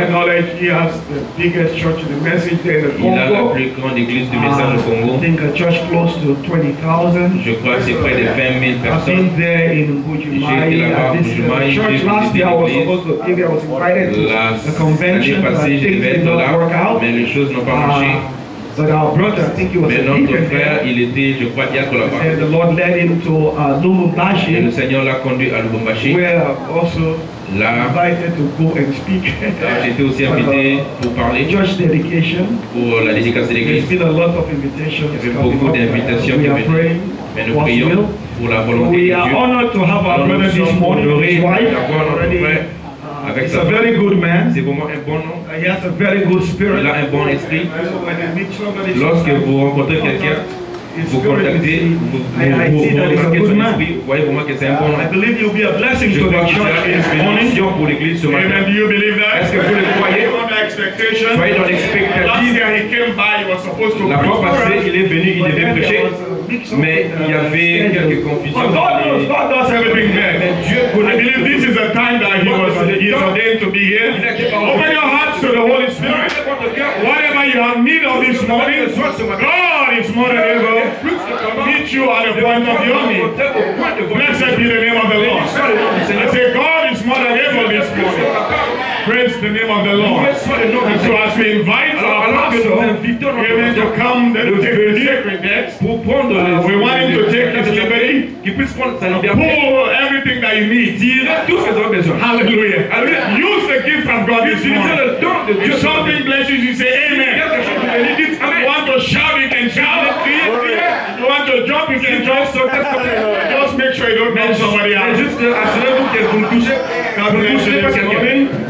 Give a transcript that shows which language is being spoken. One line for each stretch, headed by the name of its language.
English: My knowledge, he has the biggest church in the message in the Congo.
French: Il a la plus grande église du message au Congo.
English: I think a church close to 20,000.
French: Je crois que c'est près de 20,000 personnes.
English: I've been there in Lubumbashi.
French: La convention passée, je devais être là, mais les choses n'ont pas marché.
English: But our brother, I think he was
French: Mais notre frère, il était, je crois, diacre là-bas.
English: The Lord led him to Lubumbashi.
French: Et le Seigneur l'a conduit à Lubumbashi.
English: Where also là, invited to go and speak.
French: J'étais aussi invité pour parler.
English: Church dedication.
French: Pour la dédicace de l'église.
English: There's been a lot of invitations.
French: Il y avait beaucoup d'invitations qui venaient. Mais nous prions pour la volonté de Dieu.
English: We are honored to have our brother this morning.
French: Nous sommes honorés d'avoir notre frère.
English: He's a very good man.
French: C'est vraiment un bon homme.
English: He has a very good spirit.
French: Il a un bon esprit. Lorsque vous rencontrez quelqu'un, vous contactez, vous remarquez son esprit. Vous voyez vraiment que c'est un bon homme.
English: I believe you'll be a blessing to the church this morning.
French: Je pour l'église ce matin.
English: Amen. Do you believe that?
French: Est-ce que vous le croyez?
English: Expectation.
French: Soyez dans l'expectative.
English: Last year he came by, he was supposed to preach.
French: La fois passée, il est venu, il devait prêcher. Mais il y avait quelques confusions.
English: God does everything, man.
French: Dieu,
English: I believe this is the time that he was ordained to be here. Open your hearts to the Holy Spirit. Whatever you have need of this morning, God is more than able to meet you at the point of your need. Blessed be the name of the Lord. I say, God is more than able this morning. Praise the name of the Lord. And so as we invite our pastor to come to the sacred desk, we want him to take his liberty, pull everything that you need. Hallelujah. Use the gift of God this morning. If something blesses you, say amen. You want to shout, you can shout. You want to jump, you can jump. Just make sure you don't bump somebody else.
French: Just assurez-vous que vous touchez, car vous touchez quelqu'un.